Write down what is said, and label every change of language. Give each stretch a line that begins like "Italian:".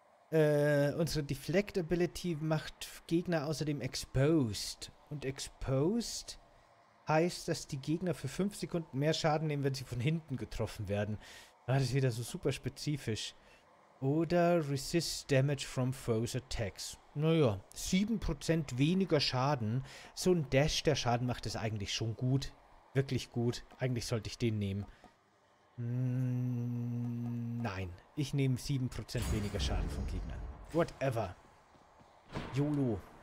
German: Unsere Deflect Ability macht Gegner außerdem exposed. Und exposed heißt, dass die Gegner für 5 Sekunden mehr Schaden nehmen, wenn sie von hinten getroffen werden. Das ist wieder so super spezifisch.
English: Oder resist damage from foes attacks.
German: Naja, 7% weniger Schaden. So ein Dash, der Schaden macht, ist eigentlich schon gut. Wirklich gut. Eigentlich sollte ich den nehmen. Nein. Ich nehme 7% weniger Schaden von Gegnern.
English: Whatever. YOLO.